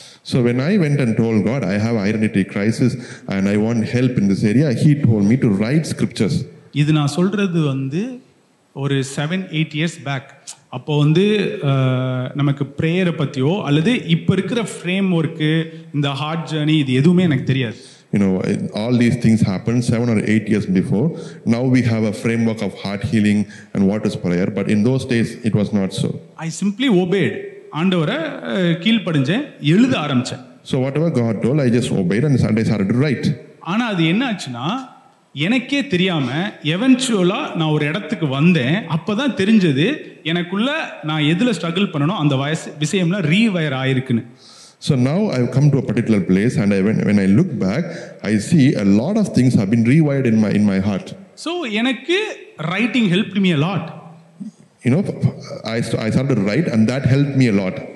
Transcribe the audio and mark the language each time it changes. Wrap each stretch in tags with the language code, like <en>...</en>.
<en>So when I went and told God, I have identity crisis and I want help in this area, he told me to write scriptures.</en> <ta>இது நான் சொல்றது வந்து ஒரு</ta> <en>7-8 years back.</en> <ta>அப்போ வந்து நமக்கு prayer பத்தியோ அல்லது இப்ப இருக்கிற framework இந்த heart journey இது எதுவுமே எனக்கு தெரியாது.</ta> <en>You know, all these things happened 7 or 8 years before. Now we have a framework of heart healing and what is prayer, but in those days it was not so. I simply obeyed.</en> <ta>ஆண்டவரை கீழ்படிஞ்சேன், எழுத ஆரம்பிச்சேன்.</ta> <en>So whatever God told, I just obeyed and Sunday started to write.</en> <ta>ஆனா அது என்னாச்சுன்னா எனக்கே தெரியாம எவென்ச்சுவலா நான் ஒரு இடத்துக்கு வந்தேன். அப்பதான் தெரிஞ்சது எனக்குள்ள நான் எதுல ஸ்ட்ரகிள் பண்ணனோ அந்த வயசு விஷயம்ல ரீவயர் ஆயிருக்குன்னு.</ta> <en>So now I've come to a particular place and when I look back, I see a lot of things have been rewired in my heart. So எனக்கு writing helped me a lot. You know, I started to write and that helped me a lot.</en>